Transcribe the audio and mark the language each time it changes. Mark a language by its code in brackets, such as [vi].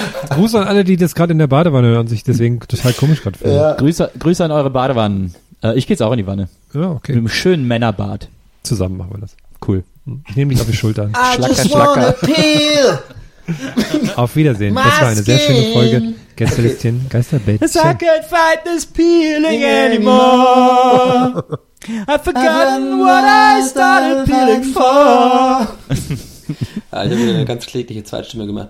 [de] Grüße an alle, die das gerade in der Badewanne hören, sich deswegen total komisch gerade fühlen. Ja. Grüße an eure Badewannen. Ich gehe jetzt auch in die Wanne. Ja, okay. Mit einem schönen Männerbad. Zusammen machen wir das. Cool. Ich nehme dich auf die Schultern. Schlacker. Auf Wiedersehen. Das war eine sehr schöne Folge. Gästelistchen, Geisterbällchen. [en] I can't fight this peeling anymore. I've forgotten what I started peeling for. [de] Ja, ich habe wieder eine ganz klägliche Zweitstimme gemacht.